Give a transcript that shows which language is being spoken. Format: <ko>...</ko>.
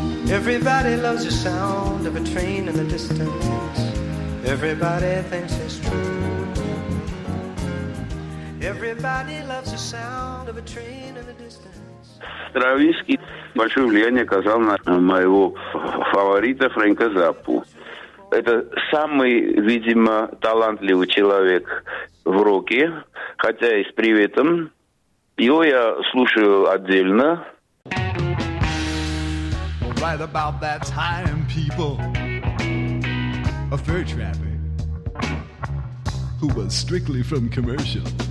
<en>Everybody loves the sound of a train in the distance. Everybody thinks it's true. Everybody loves the sound of a train in the distance.</en> <ru>Стравинский большое влияние оказал на моего фаворита Фрэнка Заппу. Это самый, видимо, талантливый человек в роке, хотя и с приветом. Его я слушаю отдельно.</ru> <en>Right about that time, people a fur trapper who was strictly from commercial</en>